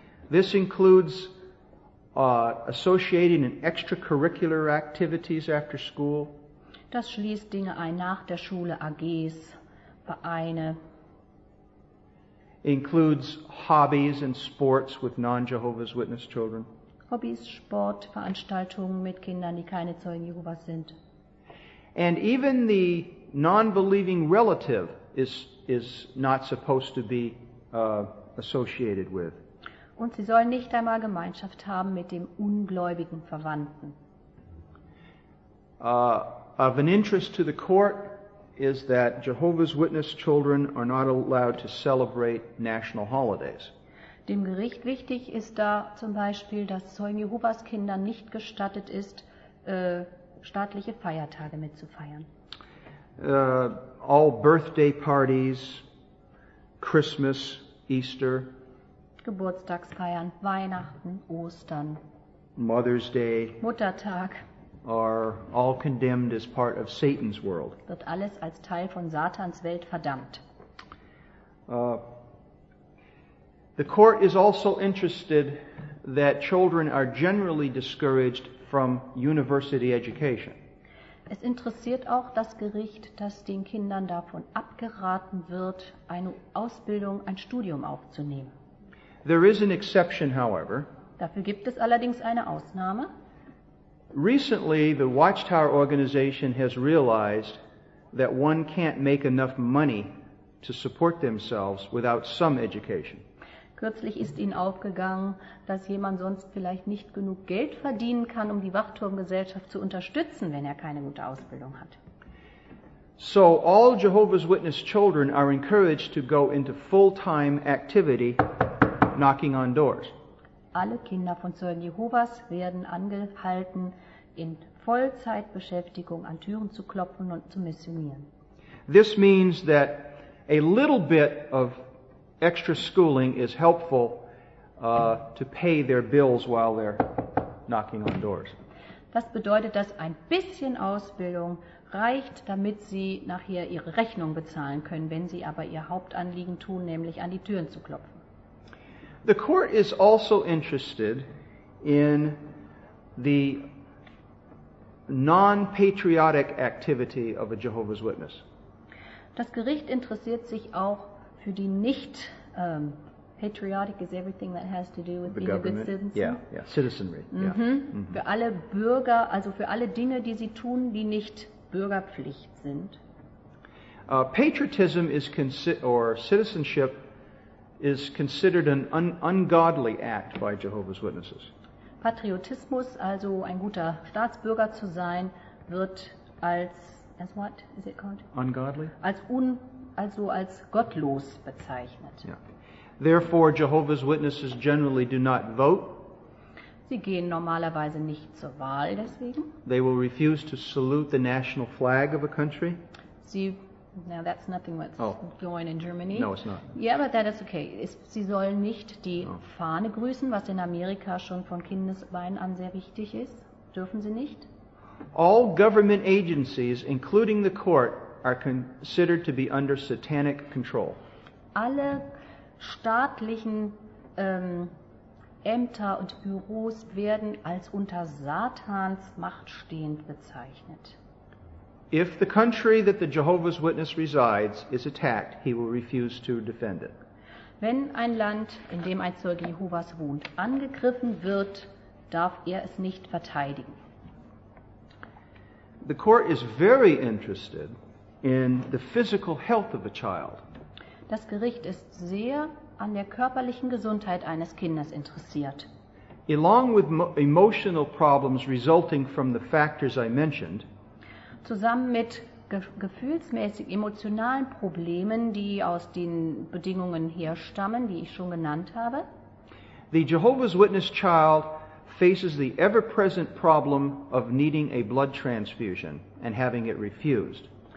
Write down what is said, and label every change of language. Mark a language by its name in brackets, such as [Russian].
[English] This includes associating in extracurricular activities after school. [German] Das schließt Dinge ein nach der Schule, AGs, Vereine. [English] Includes hobbies and sports with non-Jehovah's Witness children. [German] Hobbys, Sportveranstaltungen mit Kindern, die keine Zeugen Jehovas sind. [English] And even the non-believing relative is not supposed to be associated with. [German] Und sie sollen nicht einmal Gemeinschaft haben mit dem ungläubigen Verwandten. [English] Of an interest to the court is that Jehovah's Witness children are not allowed to celebrate national holidays. [German] Dem Gericht wichtig ist da zum Beispiel, dass Zeugen Jehovas Kindern nicht gestattet ist, staatliche Feiertage mitzufeiern. [English] All birthday parties, Christmas, Easter. [German] Geburtstagsfeiern, Weihnachten, Ostern. [English] Mother's Day. [German] Muttertag. [English] Are all condemned as part of Satan's world. [German] Wird alles als Teil von Satans Welt verdammt. [English] The court is also interested that children are generally discouraged from university education. [German] Es interessiert auch das Gericht, dass den Kindern davon abgeraten wird, eine Ausbildung, ein Studium aufzunehmen. [English] There is an exception, however. [German] Dafür gibt es allerdings eine Ausnahme. [English] Recently, the Watchtower organization has realized that one can't make enough money to support themselves without some education. [German] Kürzlich ist ihnen aufgegangen, dass jemand sonst vielleicht nicht genug Geld verdienen kann, um die Wachturmgesellschaft zu unterstützen, wenn er keine gute Ausbildung hat. [English] So all Jehovah's Witness children are encouraged to go into full-time activity knocking on doors. [German] Alle Kinder von Zeugen Jehovas werden angehalten, in Vollzeitbeschäftigung an Türen zu klopfen und zu missionieren. [English] This means that a little bit of extra schooling is helpful to pay their bills while they're knocking on doors. [German] Das bedeutet, dass ein bisschen Ausbildung reicht, damit sie nachher ihre Rechnung bezahlen können, wenn sie aber ihr Hauptanliegen tun, nämlich an die Türen zu klopfen. [English] The court is also interested in the non-patriotic activity of a Jehovah's Witness. [German] Das Gericht interessiert sich auch für die nicht [English] patriotic is everything that has to do with the being government. A good citizen. Yeah, citizenry. Mm-hmm. Yeah. Mm-hmm. [German] Für alle Bürger, also für alle Dinge, die sie tun, die nicht Bürgerpflicht sind. [English] Patriotism is or citizenship is considered an ungodly act by Jehovah's Witnesses. [German] Patriotismus, also ein guter Staatsbürger zu sein, wird als [English] what is it called? Ungodly? [German] Als gottlos bezeichnet. [English] Yeah. Therefore, Jehovah's Witnesses generally do not vote. [German] Sie gehen normalerweise nicht zur Wahl deswegen. [English] They will refuse to salute the national flag of a country. Now that's nothing what's going in Germany. No, it's not. Yeah, but that is okay. [German] Sie sollen nicht die Fahne grüßen, was in Amerika schon von Kindesbeinen an sehr wichtig ist. Dürfen sie nicht? [English] All government agencies, including the court, are considered to be under satanic control. [German] Alle staatlichen Ämter und Büros werden als unter Satans Macht stehend bezeichnet. [English] If the country that the Jehovah's Witness resides is attacked, he will refuse to defend it. [German] Wenn ein Land, in dem ein Zeuge Jehovas wohnt, angegriffen wird, darf er es nicht verteidigen. [English] The court is very interested in the physical health of a child. [German] Das Gericht ist sehr an der körperlichen Gesundheit eines Kindes interessiert. [English] Along with emotional problems resulting from the factors I mentioned, [German] zusammen mit gefühlsmäßig emotionalen Problemen, die aus den Bedingungen herstammen, die ich schon genannt habe. [English] The Jehovah's Witness child faces the ever-present problem of needing a blood transfusion and having it refused.